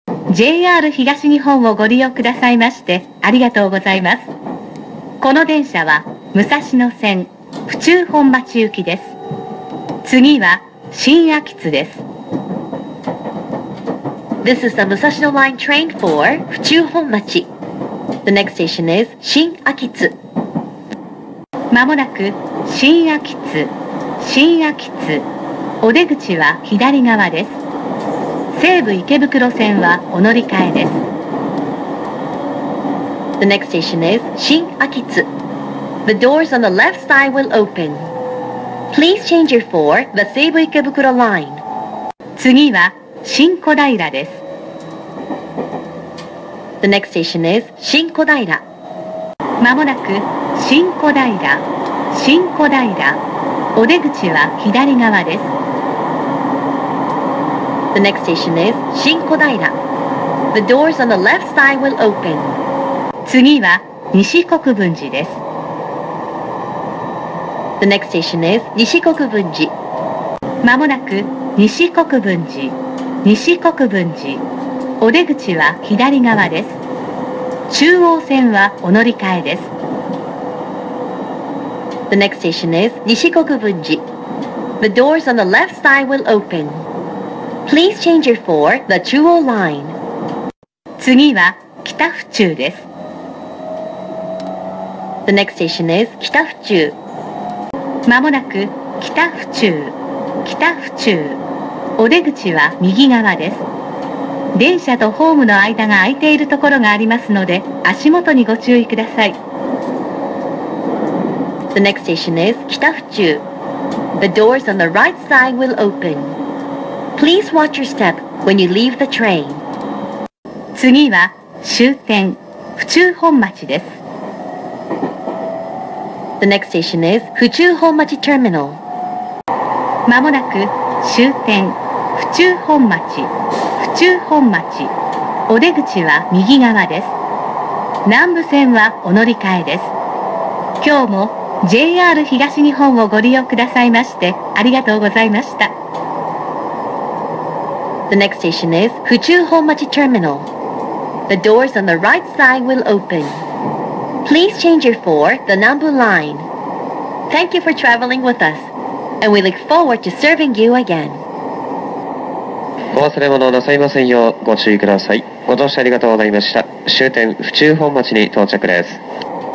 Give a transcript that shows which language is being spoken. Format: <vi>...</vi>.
<ja>JR 東日本をご利用くださいましてありがとうございます。この電車は武蔵野線府中本町行きです。次は新秋津です。</ja> <en>This is the 武蔵野 line train for 府中本町。 The next station is 新秋津。</en> <ja>まもなく新秋津、新秋津、お出口は左側です。西武池袋線はお乗り換えです。</ja> <en>The next station is 新秋津。 The doors on the left side will open. Please change your for the 西武池袋 line.</en> <ja>次は新小平です。</ja> <en>The next station is 新小平。</en> <ja>まもなく新小平、新小平、お出口は左側です。</ja> <en>The next station is 新小平。 The doors on the left side will open.</en> <ja>次は西国分寺です。</ja> <en>The next station is 西国分寺。</en> <ja>まもなく西国分寺、西国分寺、お出口は左側です。中央線はお乗り換えです。</ja> <en>The next station is 西国分寺。 The doors on the left side will openPlease change your for the 中央 line.</en> <ja>次は北府中です。</ja> <en>The next station is 北府中。</en> <ja>まもなく北府中、北府中、お出口は右側です。電車とホームの間が空いているところがありますので、足元にご注意ください。</ja> <en>The next station is 北府中。 The doors on the right side will open. Please watch your step when you leave the train.</en> <ja>次は終点、府中本町です。</ja> <en>The next station is 府中本町 Terminal.</en> <ja>まもなく終点、府中本町、府中本町、お出口は右側です。南武線はお乗り換えです。今日も JR 東日本をご利用くださいましてありがとうございました。</ja> <en>The next station is 府中本町 Terminal. The doors on the right side will open. Please change your for the Nambu line. Thank you for traveling with us, and we look forward to serving you again.</en> <ja>お忘れ物をなさいませんようご注意ください。ご乗車ありがとうございました。終点府中本町に到着です。</ja>